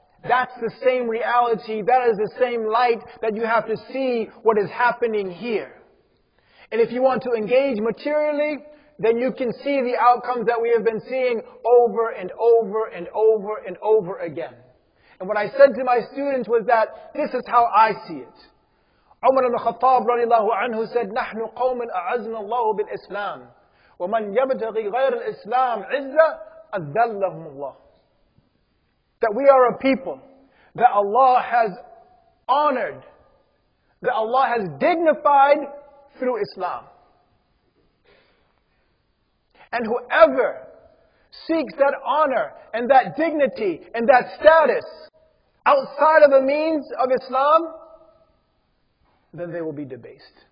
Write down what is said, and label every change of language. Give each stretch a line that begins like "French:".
English: That's the same reality, that is the same light that you have to see what is happening here. And if you want to engage materially, then you can see the outcomes that we have been seeing over and over and over and over again. And what I said to my students was that this is how I see it. Umar ibn Khattab radiallahu anhu said,
Arabic: نَحْنُ قَوْمٌ أَعَزْنَ اللَّهُ بِالْإِسْلَامِ وَمَنْ يَبْتَغِي غَيْرَ الْإِسْلَامِ عِزَّةَ أَذَّلَّهُمُ اللَّهُ.
English: That we are a people that Allah has honored, that Allah has dignified through Islam. And whoever seeks that honor and that dignity and that status outside of the means of Islam, then they will be debased.